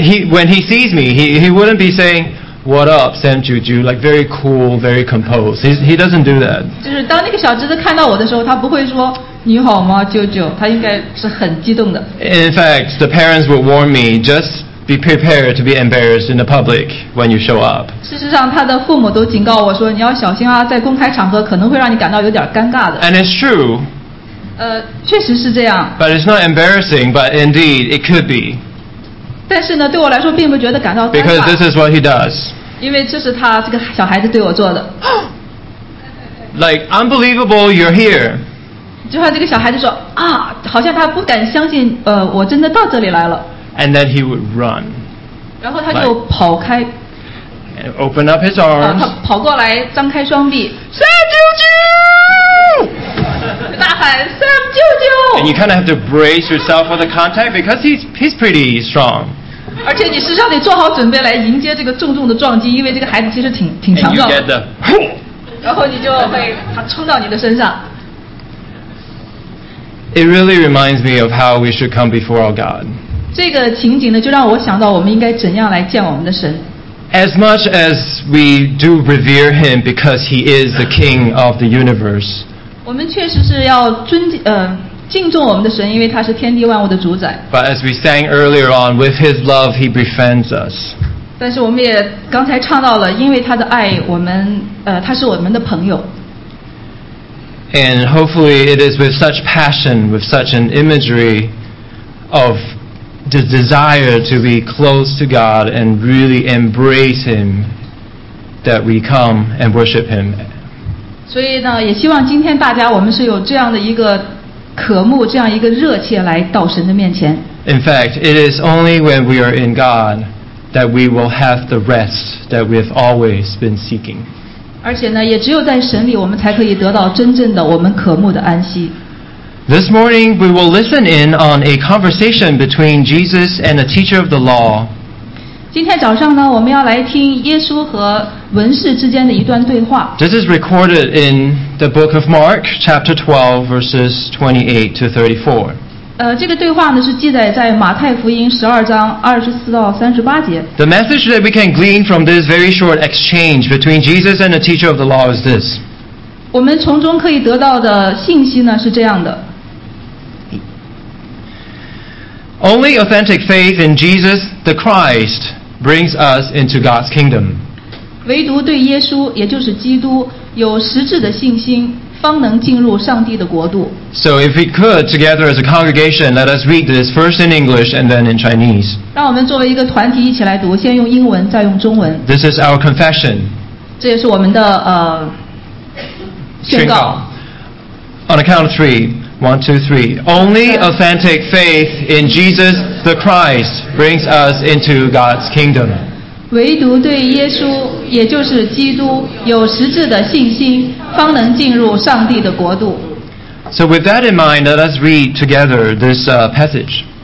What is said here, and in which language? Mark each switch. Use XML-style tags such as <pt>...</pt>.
<en>When he sees me, he wouldn't be saying What up, Sam Juju? Like very cool, very composed. He doesn't do that.</en> <zh>就是当那个小侄子看到我的时候，他不会说你好吗，舅舅。他应该是很激动的。</zh> <en>In fact, the parents would warn me justBe prepared to be embarrassed in the public when you show up.</en> <zh>事实上，他的父母都警告我说，你要小心啊，在公开场合可能会让你感到有点尴尬的。</zh> <en>And it's true.</en> <zh>确实是这样。</zh> <en>But it's not embarrassing, but indeed it could be.</en> <zh>但是呢，对我来说并不觉得感到尴尬。</zh> <en>Because this is what he does.</en> <zh>因为这是他这个小孩子对我做的。</zh> <en>Like unbelievable, you're here.</en> <zh>就像这个小孩子说啊，好像他不敢相信，我真的到这里来了。</zh> <en>And then he would run.</en> <zh>然后他就跑开。</zh> <en>Open up his arms.</en> <zh>他跑过来，张开双臂。 Sam 舅舅！大喊 Sam 舅舅！</zh> <en>And you kind of have to brace yourself for the contact because he's pretty strong.</en> <zh>而且你身上得做好准备来迎接这个重重的撞击，因为这个孩子其实挺强壮。</zh> <en>And you get the.</en> <zh>然后你就会他冲到你的身上。</zh> <en>It really reminds me of how we should come before our God.</en> <zh>这个情景呢，就让我想到我们应该怎样来见我们的神。</zh> <en>As much as we do revere him because he is the king of the universe.</en> <zh>我们确实是要敬重我们的神，因为他是天地万物的主宰。</zh> <en>But as we sang earlier on, with his love, he befriends us.</en> <zh>但是我们也刚才唱到了，因为他的爱，我们他是我们的朋友。</zh> <en>And hopefully it is with such passion, with such an imagery of. The desire to be close to God and really embrace Him that we come and worship Him.</en> <zh>所以呢，也希望今天大家我们是有这样的一个渴慕，这样一个热切来到神的面前。</zh> <en>In fact, it is only when we are in God that we will have the rest that we have always been seeking.</en> <zh>而且呢，也只有在神里，我们才可以得到真正的我们渴慕的安息。</zh> <en>This morning, we will listen in on a conversation between Jesus and a teacher of the law.</en> <zh>今天早上呢，我们要来听耶稣和文士之间的一段对话。</zh> <en>This is recorded in the book of Mark, chapter 12, verses 28 to 34.</en> <zh>这个对话呢是记载在马太福音十二章二十四到三十八节。</zh> <en>The message that we can glean from this very short exchange between Jesus and a teacher of the law is this.</en> <zh>我们从中可以得到的信息呢是这样的。</zh> <en>Only authentic faith in Jesus the Christ brings us into God's kingdom.</en> <zh>唯独对耶稣，也就是基督，有实质的信心，方能进入上帝的国度。</zh> <en>So if we could, together as a congregation, let us read this first in English and then in Chinese.</en> <zh>让我们作为一个团体一起来读，先用英文，再用中文。</zh> <en>This is our confession.</en> <zh>这也是我们的宣告。</zh> <en>On a count of three, one, two, three. Only authentic faith in Jesus the Christ brings us into God's kingdom.</en> <zh>唯独对耶稣，也就是基督，有实质的信心，方能进入上帝的国度。</zh> <en>So with that in mind, let us read together this passage.</en>